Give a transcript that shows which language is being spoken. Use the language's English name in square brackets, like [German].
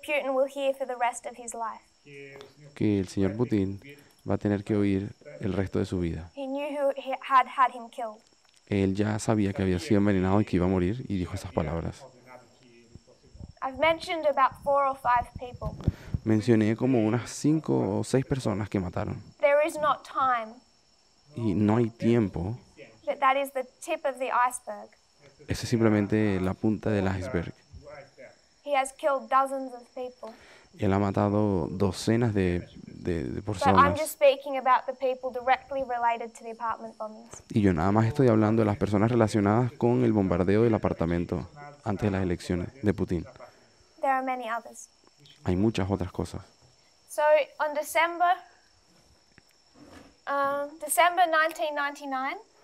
[English] Putin will hear for the rest of his life. [Spanish] Que el señor Putin va a tener que oír el resto de su vida. [English] He knew who had him killed. [Spanish] Él ya sabía que había sido envenenado y que iba a morir y dijo esas palabras. [English] I've mentioned about 4 or 5 people. [Spanish] Mencioné como unas 5 o 6 personas que mataron. [English] There is not time. [Spanish] Y no hay tiempo. [English] But that is the tip of the iceberg. [Spanish] Ese es simplemente la punta del iceberg. [English] He has killed dozens of people. [Spanish] Él ha matado docenas de personas. [English] But I'm just speaking about the people directly related to the apartment bombings. [Spanish] Y yo nada más estoy hablando de las personas relacionadas con el bombardeo del apartamento antes de las elecciones de Putin. [English] There are many others. [Spanish] Hay muchas otras cosas. [English] So on December 1999.